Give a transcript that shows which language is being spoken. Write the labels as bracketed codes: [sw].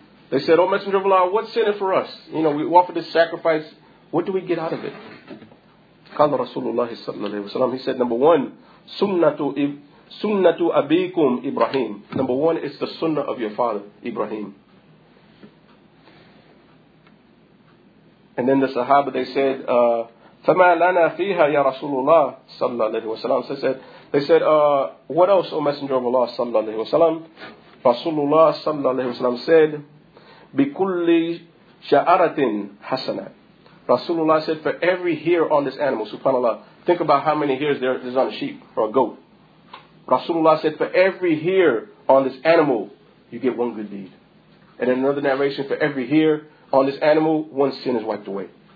[en] They said, oh Messenger of Allah, what's in it for us? You know, we offer this sacrifice, what do we get out of it? [ar] Qala Rasulullah sallallahu alayhi wa sallam, [en] he said, number one, [ar] sunnatu abikum Ibrahim. [en] Number one, it's the sunnah of your father, Ibrahim. And then the sahaba, they said, [ar] فَمَا لَنَا فِيهَا يَا رَسُولُ اللَّهِ صَلَّى اللَّهِ وَسَلَّمَ. [en] They said, what else, O Messenger of Allah صلى الله عليه وسلم? [ar] Rasulullah صلى الله عليه وسلم [en] said, [ar] بِكُلِّ شَعَرَةٍ حَسَنًا. [en] Rasulullah said, for every hair on this animal, subhanAllah, think about how many hairs there is on a sheep or a goat. Rasulullah said, for every hair on this animal, you get one good deed. And in another narration, for every hair on this animal, one sin is wiped away.